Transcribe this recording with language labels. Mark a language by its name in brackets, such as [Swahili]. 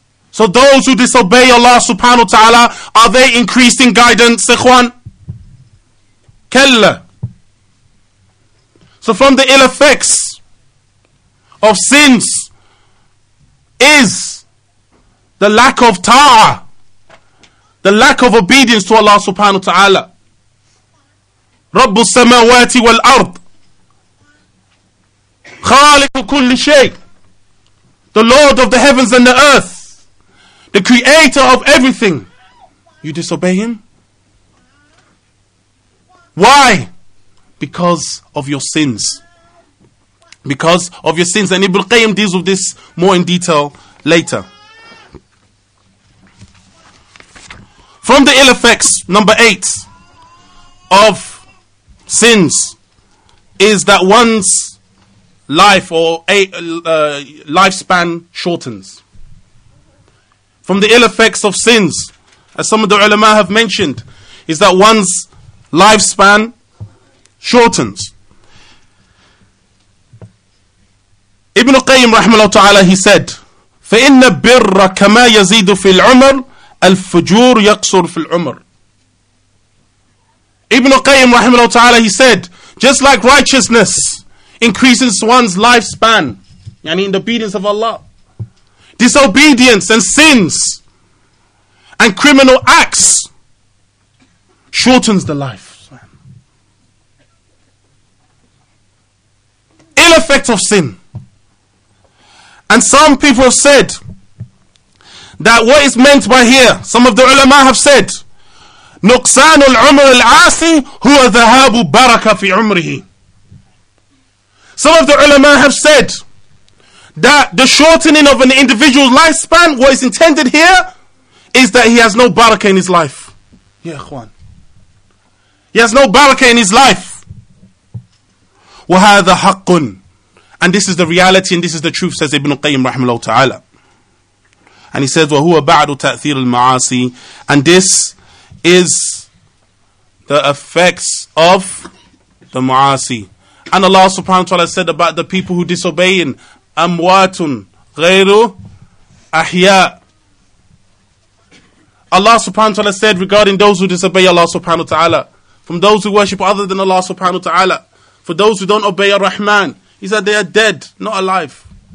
[English] So those who disobey Allah subhanahu wa ta'ala, are they increased in guidance, ikhwan? Kalla. So from the ill effects of sins is the lack of ta'a, the lack of obedience to Allah subhanahu wa ta'ala. [Arabic] رب السماوات والأرض خالق كل شيء. [English] The Lord of the heavens and the earth, the creator of everything. You disobey him? Why? Because of your sins. Because of your sins. And Ibn Qayyim deals with this more in detail later. From the ill effects, number 8 of sins is that one's life or lifespan shortens. From the ill effects of sins, as some of the ulama have mentioned, is that one's lifespan shortens. Ibn Qayyim rahimahullah ta'ala, he said, [Arabic] فَإِنَّ بِرَّ كَمَا يَزِيدُ فِي الْعُمَرِ الْفُجُورُ يَقْصُرُ فِي الْعُمَرِ. [English] Ibn Qayyim rahimahullah ta'ala, he said, just like righteousness increases one's lifespan, yani in the obedience of Allah, disobedience and sins and criminal acts shortens the life. Ill effect of sin. And some people have said that what is meant by here, some of the ulama have said, [Arabic] Nuqsanul umr al-asi huwa dhahabu baraka fi umrihi. [English] Some of the ulama have said that the shortening of an individual's lifespan, what is intended here, is that he has no barakah in his life. Ya ikhwan. He has no barakah in his life. [Arabic] وَهَذَا حَقٌّ. [English] And this is the reality and this is the truth, says Ibn Qayyim rahimahullah ta'ala. And he says, [Arabic] وَهُوَ بَعْدُ تَأْثِيرُ الْمَعَاسِي. [English] And this is the effects of the ma'asi. And Allah subhanahu wa ta'ala said about the people who disobeying, [Arabic] أَمْوَاتٌ غَيْرُ أَحْيَاء. [English] Allah subhanahu wa ta'ala said regarding those who disobey Allah subhanahu wa ta'ala, from those who worship other than Allah subhanahu wa ta'ala, for those who don't obey Ar-Rahman, he said they are dead, not alive.